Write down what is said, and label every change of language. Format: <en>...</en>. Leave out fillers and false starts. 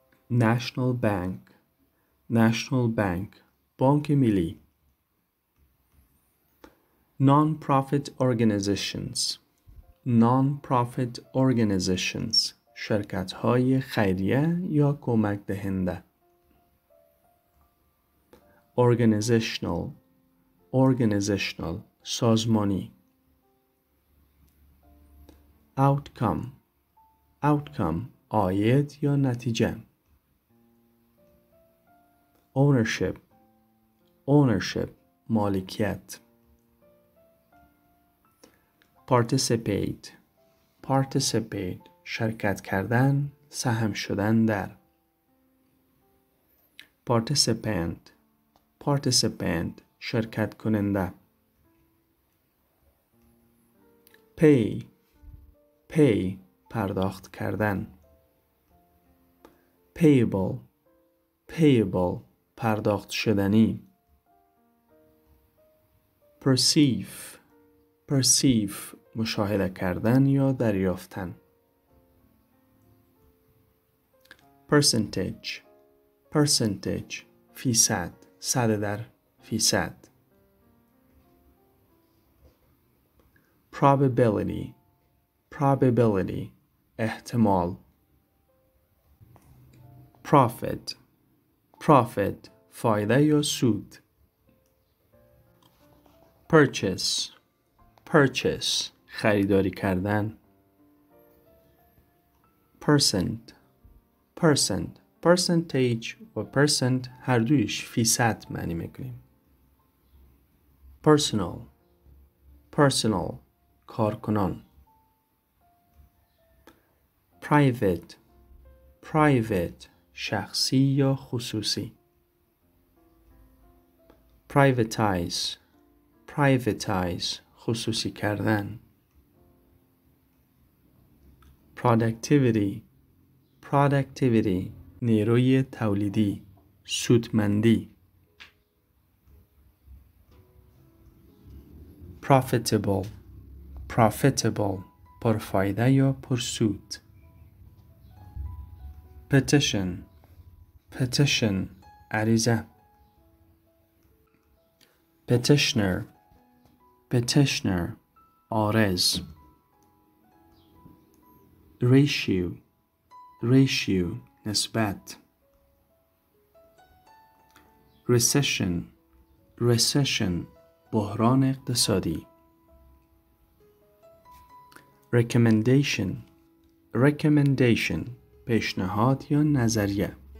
<en>national bank, national bank</en> <fa>بانک ملی.</fa> <en>non-profit organizations، non-profit organizations</en> <fa>شرکت های خیریه یا کمک دهنده.</fa> <en>organizational، organizational</en> <fa>سازمانی.</fa> <en>outcome، outcome</en> <fa>آید یا نتیجه.</fa> <en>ownership، ownership</en> <fa>مالکیت.</fa> <en>participate، participate</en> <fa>شرکت کردن، سهم شدن در.</fa> <en>participant، participant</en> <fa>شرکت کننده.</fa> <en>pay، pay</en> <fa>پرداخت کردن.</fa> <en>payable، payable</en> <fa>پرداخت شدنی.</fa> <en>perceive، perceive</en> <fa>مشاهده کردن یا دریافتن.</fa> <en>percentage، percentage</en> <fa>فیصد، صد در فیصد.</fa> <en>probability، probability</en> <fa>احتمال.</fa> <en>profit، profit</en> <fa>فایده یا سود.</fa> <en>purchase، purchase</en> <fa>خریداری کردن.</fa> <en>percent، percent percentage</en> <fa>و percent هر دویش فیصد معنی میکنیم.</fa> <en>personal، personal</en> <fa>کارکنان.</fa> <en>private، private</en> <fa>شخصی یا خصوصی.</fa> <en>privatize، privatize</en> <fa>خصوصی کردن.</fa> <en>productivity، productivity</en> <fa>نیروی تولیدی، سودمندی.</fa> <en>profitable، profitable</en> <fa>پرفایده یا پرسود.</fa> <en>petition، petition</en> <fa>عریضه.</fa> <en>petitioner، petitioner</en> <fa>عارض.</fa> <en>ratio، ratio</en> <fa>نسبت.</fa> <en>recession، recession</en> <fa>بحران اقتصادی.</fa> <en>recommendation، recommendation</en> <fa>پیشنهاد یا نظریه.</fa>